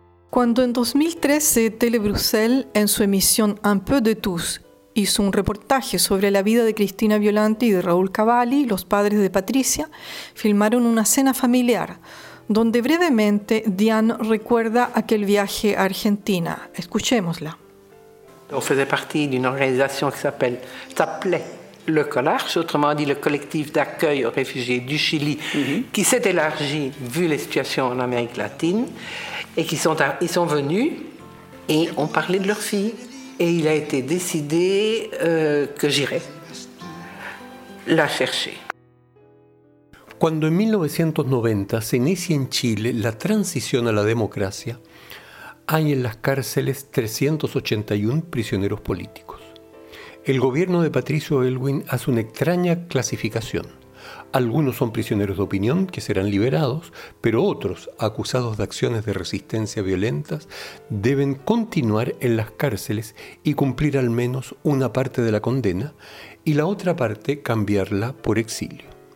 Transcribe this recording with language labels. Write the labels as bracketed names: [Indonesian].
[Spanish] Cuando en 2013 Télé-Bruxelles, en su emisión Un peu de tous, hizo un reportaje sobre la vida de Cristina Violante y de Raúl Cavalli, los padres de Patricia, filmaron una cena familiar, donde brevemente Diane recuerda aquel viaje a Argentina. Escuchémosla. [French] On faisait partie d'une organisation qui s'appelait le Colarche, autrement dit le collectif d'accueil aux réfugiés du Chili, qui s'est élargi vu les situations en Amérique latine, et ils sont venus et ont parlé de leur fille. Et il a été décidé que j'irai la chercher. [Spanish] Cuando en 1990 se inicia en Chile la transición a la democracia, hay en las cárceles 381 prisioneros políticos. El gobierno de Patricio Aylwin hace una extraña clasificación. Algunos son prisioneros de opinión que serán liberados, pero otros, acusados de acciones de resistencia violentas, deben continuar en las cárceles y cumplir al menos una parte de la condena y la otra parte cambiarla por exilio.